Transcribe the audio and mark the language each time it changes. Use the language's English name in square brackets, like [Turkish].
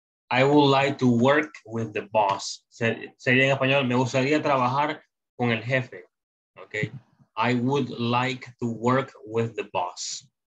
[English] I would like to work with the boss. [Spanish] Sería en español, me gustaría trabajar con el jefe. [English] Okay. I would like to work with the boss.